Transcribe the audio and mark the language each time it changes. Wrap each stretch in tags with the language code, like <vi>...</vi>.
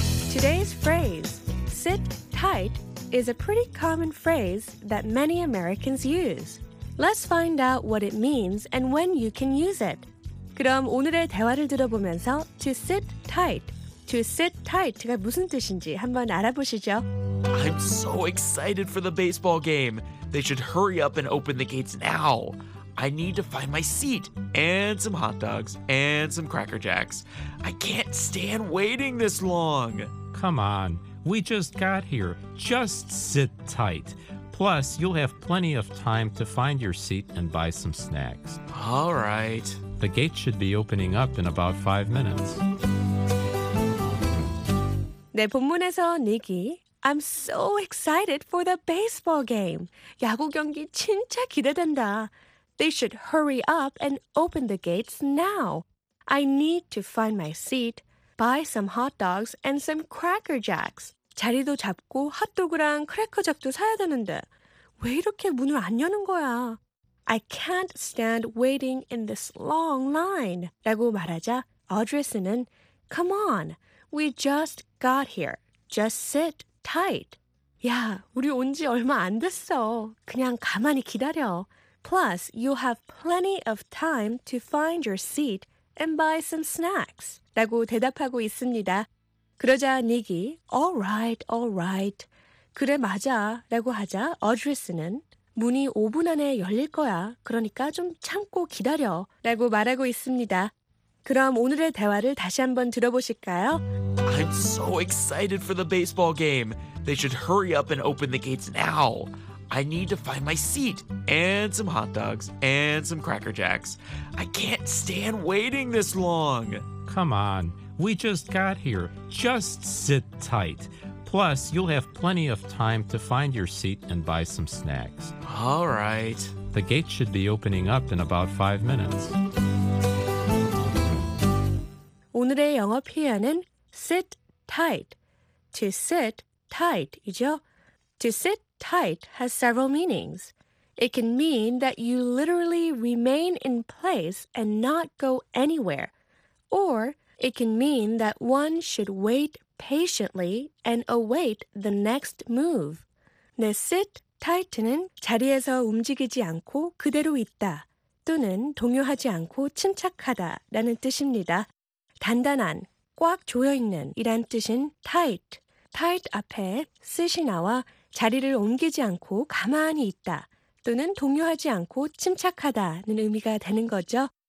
<en>'Today's phrase, sit tight, is a pretty common phrase that many Americans use. Let's find out what it means and when you can use it.</en> <ko>그럼 오늘의 대화를 들어보면서 to sit tight, to sit tight가 무슨 뜻인지 한번 알아보시죠.</ko> <en>I'm so excited for the baseball game. They should hurry up and open the gates now. I need to find my seat and some hot dogs and some Cracker Jacks. I can't stand waiting this long. Come on. We just got here. Just sit tight. Plus, you'll have plenty of time to find your seat and buy some snacks. All right. The gate should be opening up in about 5 minutes.</en> <ko>네, 본문에서</ko> <en>니키, I'm so excited for the baseball game.</en> <ko>야구 경기 진짜 기대된다.</ko> <en>They should hurry up and open the gates now. I need to find my seat, buy some hot dogs and some cracker jacks.</en> <ko>자리도 잡고 핫도그랑 크래커잭도 사야 되는데 왜 이렇게 문을 안 여는 거야?</ko> <en>I can't stand waiting in this long line.</en> <ko>라고 말하자 어드레스는</ko> <en>Come on, we just got here. Just sit tight.</en> <ko>야, 우리 온 지 얼마 안 됐어. 그냥 가만히 기다려.</ko> <en>Plus, you'll have plenty of time to find your seat and buy some snacks.</en> <ko>라고 대답하고 있습니다. 그러자 닉이</ko> <en>All right, all right.</en> <ko>그래, 맞아. 라고 하자 어드레스는 문이 5분 안에 열릴 거야. 그러니까 좀 참고 기다려. 라고 말하고 있습니다. 그럼 오늘의 대화를 다시 한번 들어보실까요?</ko> <en>I'm so excited for the baseball game. They should hurry up and open the gates now. I need to find my seat and some hot dogs and some Cracker Jacks. I can't stand waiting this long. Come on. We just got here. Just sit tight. Plus, you'll have plenty of time to find your seat and buy some snacks. All right. The gate should be opening up in about 5 minutes.</en> <ko>오늘의 영어 표현은 sit tight.</ko> <en>To sit tight이죠. To sit tight has several meanings. It can mean that you literally remain in place and not go anywhere. Or it can mean that one should wait patiently and await the next move.</en> <ko>네, sit tight는 자리에서 움직이지 않고 그대로 있다 또는 동요하지 않고 침착하다 라는 뜻입니다. 단단한, 꽉 조여있는 이란 뜻인 tight. tight 앞에 sit이 나와 자리를 옮기지 않고 가만히 있다 또는 동요하지 않고 침착하다는 의미가 되는 거죠.</ko>